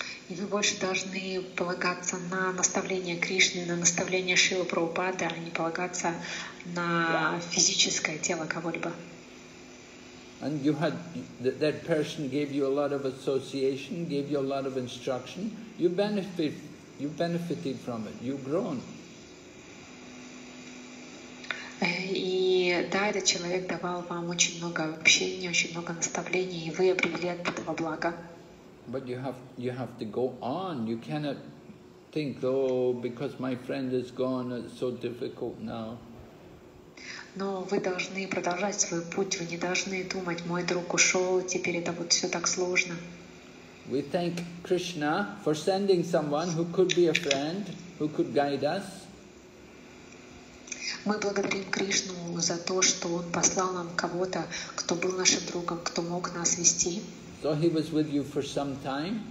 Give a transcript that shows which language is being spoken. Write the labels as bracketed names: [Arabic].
[Russian] И вы больше должны полагаться на наставления Кришны, на наставления Шрилы Прабхупады, а не полагаться на физическое тело кого-либо. [English] And you had that person gave you a lot of association, gave you a lot of instruction. You benefited from it. You've grown. [Russian] И да, этот человек давал вам очень много общения, очень много наставлений, и вы обрели от этого благо. [English] But you have to go on. You cannot think, oh, because my friend is gone, it's so difficult now. [Russian] Но вы должны продолжать свой путь. Вы не должны думать, мой друг ушел, теперь это вот все так сложно. [English] We thank Krishna for sending someone who could be a friend, who could guide us. [Russian] Мы благодарим Кришну за то, что он послал нам кого-то, кто был нашим другом, кто мог нас вести. [English] So he was with you for some time.